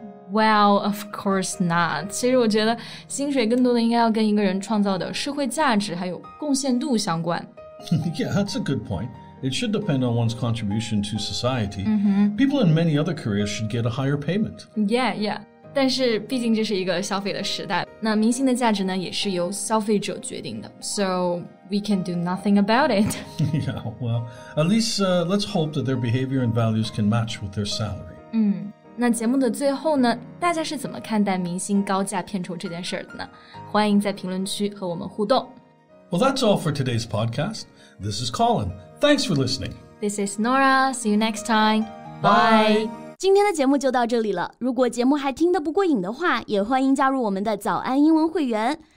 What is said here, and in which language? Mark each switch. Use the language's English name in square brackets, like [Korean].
[English] Well, of course not [Chinese] 其实我觉得薪水更多的应该要跟一个人创造的社会价值还有贡献度相关 [English] Yeah, that's a good pointIt should depend on one's contribution to society.、 Mm-hmm. People in many other careers should get a higher payment. Yeah. [Chinese] 但是毕竟这是一个消费的时代，那明星的价值呢也是由消费者决定的。 [English] So we can do nothing about it. Yeah, well, at least、let's hope that their behavior and values can match with their salary. [Chinese] 那节目的最后呢，大家是怎么看待明星高价片酬这件事的呢？欢迎在评论区和我们互动。 [English] Well, that's all for today's podcast. This is Colin. Thanks for listening. This is Nora. See you next time. Bye. [Chinese] 今天的节目就到这里了。如果节目还听得不过瘾的话，也欢迎加入我们的早安英文会员。